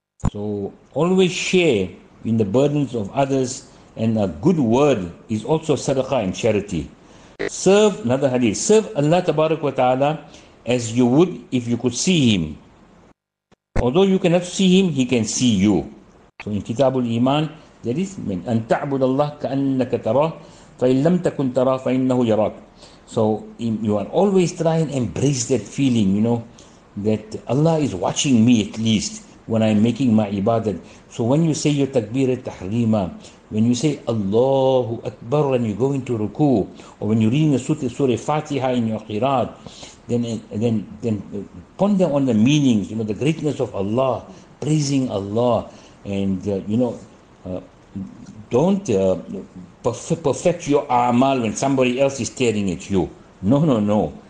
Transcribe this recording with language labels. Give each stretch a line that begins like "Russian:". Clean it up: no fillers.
English: So always share in the burdens of others, and a good word is also sadaqah and charity. Serve, another hadith, serve Allah tabarak wa ta'ala as you would if you could see him. Although you cannot see him, he can see you. So in Kitabul Iman, there is
Arabic: من أن تعبد الله كأنك تراه فإن لم تكن تراه فإنه يراك.
English: So you are always trying to embrace that feeling, you know, that Allah is watching me at least when I'm making my ibadat. So when you say your takbir al-tahreema, when you say Allahu Akbar and you go into ruku, or when you're reading the Surah Fatiha in your qiraat, then ponder on the meanings, you know, the greatness of Allah, praising Allah, and don't perfect your a'mal when somebody else is staring at you. No.